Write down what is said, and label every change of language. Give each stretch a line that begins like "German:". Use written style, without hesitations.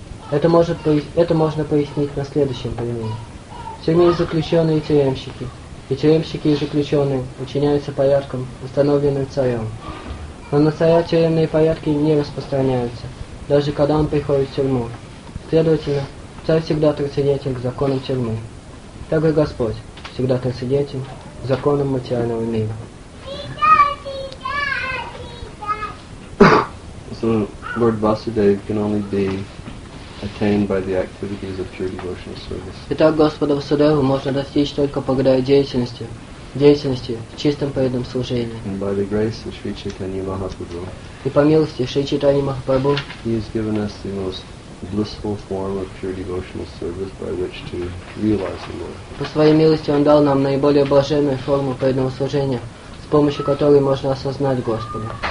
Russian: Это можно пояснить на следующем примере. В тюрьме заключенные тюремщики, и тюремщики и заключенные учиняются порядком, установленным царем. Но на царя тюремные порядки не распространяются, даже когда он приходит в тюрьму. Следовательно, царь всегда трансцендентен к законам тюрьмы. Так и Господь всегда трансцендентен к законам материального мира.
English: So, Lord Vasudev can only be attained by the activities of pure devotional service.
Russian: Итак, Господа Васудеву можно достичь только благодаря деятельности в чистом преданном служении.
English: And by the grace of Sri Chaitanya Mahaprabhu.
Russian: И по милости Шри Чайтаньи Махапрабху.
English: He has given us the most blissful form of pure devotional service by which to realize the Lord.
Russian: По своей милости он дал нам наиболее блаженную форму преданного служения, с помощью которой можно осознать Господа.